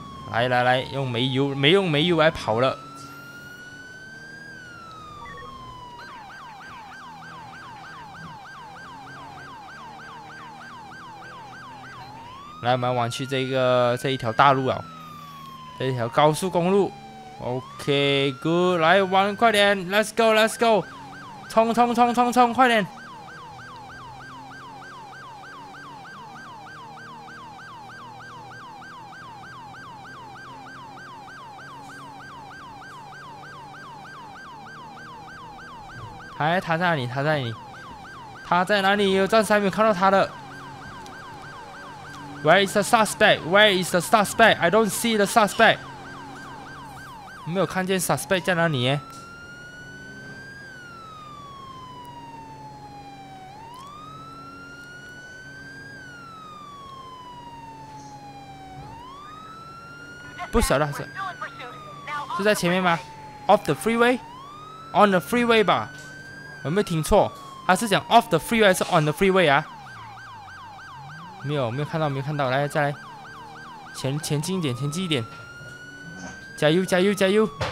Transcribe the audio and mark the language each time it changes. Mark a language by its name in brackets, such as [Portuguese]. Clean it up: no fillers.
[Chinese] 来来来，用煤油，没用煤油来跑了。来，我们往去这个这一条大路啊，这一条高速公路。 OK， good， 来玩快点 ， [English] Let's go， Let's go， [Chinese] 冲冲冲冲冲，快点！哎，他在哪里？他在哪里？他在哪里？有暂时还没有看到他的。 [English] Where is the suspect? Where is the suspect? I don't see the suspect. [Chinese] 没有看见 suspect 在哪里耶，不晓得是在前面吗？ [English] Off the freeway? On the freeway [Chinese] 吧，有没有听错？他是讲 [English] off the freeway [Chinese] 还是 [English] on the freeway [Chinese] 啊？没有，没有看到，没有看到，来再来，前进一点，前进一点，加油加油加油！